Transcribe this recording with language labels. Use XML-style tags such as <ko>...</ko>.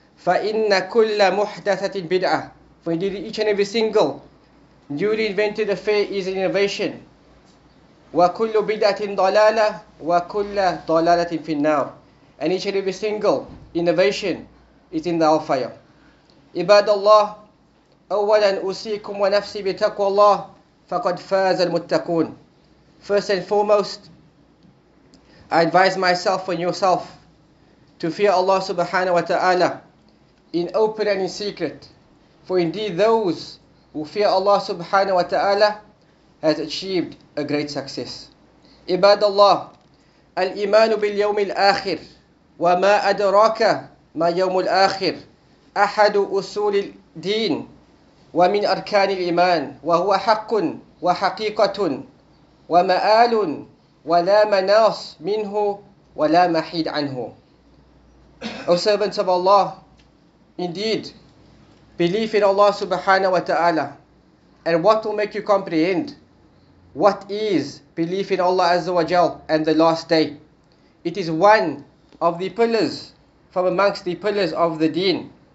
<en>فَإِنَّ كُلَّ مُحْدَثَةٍ بِدْعَةٍ. For indeed each and every single newly invented affair is an innovation.</en> <ar>وَكُلُّ بِدْعَةٍ ضَلَالَةٍ وَكُلَّ ضَلَالَةٍ فِي النَّارِ.</ar> <en>And each and every single innovation is in the hellfire.</en> <ar>عباد الله أولا أوصيكم ونفسي بتقوى الله فقد فاز المتقون.</ar> <en>First and foremost, I advise myself and yourself to fear Allah subhanahu wa ta'ala in open and in secret. For indeed those who fear Allah subhanahu wa ta'ala has achieved a great success.</en> <ar>عباد الله الإيمان باليوم الآخر وما أدراك ما يوم الآخر أحد أصول الدين ومن أركان الإيمان وهو حق وحقيقة ومآل ولا مناص منه ولا محيد عنه.</ar> <en>O servants of Allah, indeed, belief in Allah subhanahu wa ta'ala, and what will make you comprehend what is belief in Allah Azza wa Jal and the last day? It is one of the pillars from amongst the pillars of the deen.</en>